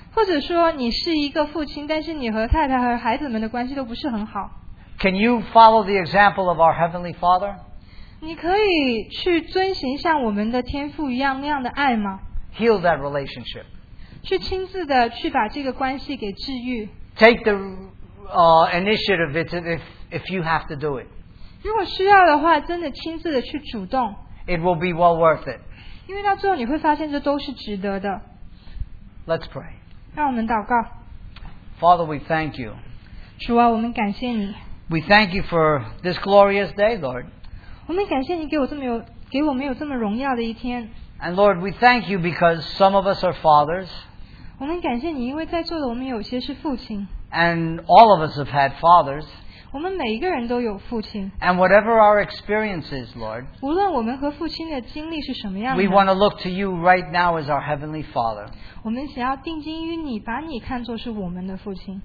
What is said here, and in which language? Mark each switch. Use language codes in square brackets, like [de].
[zh] 或者说你是一个父亲, 但是你和太太和孩子们的关系都不是很好, [en] can you follow the example of our Heavenly Father? [zh] 你可以去遵循像我们的天父一样, 那样的爱吗? [en] Heal that relationship. [zh] 去亲自的去把这个关系给治愈, [en] take the initiative if you have to do it. [zh] 如果需要的话, 真的亲自的去主动, [en] it will be well worth it. [zh] 因为到最后你会发现这都是值得的。 [en] Let's pray. [zh] 让我们祷告。 [en] Father, we thank you. [zh] 主啊, 我们感谢你。 [en] We thank you for this glorious day, Lord. [zh] 我们感谢你给我们有这么荣耀的一天。 [en] And Lord, we thank you because some of us are fathers. [zh] 我们感谢你因为在座的我们有些是父亲。 [en] And all of us have had fathers. [zh] 我们每一个人都有父亲。 [en] And whatever our experience is, Lord, [zh] 无论我们和父亲的经历是什么样的, [en] we want to look to you right now as our Heavenly Father. [zh] 我们想要定睛于你, 把你看作是我们的父亲。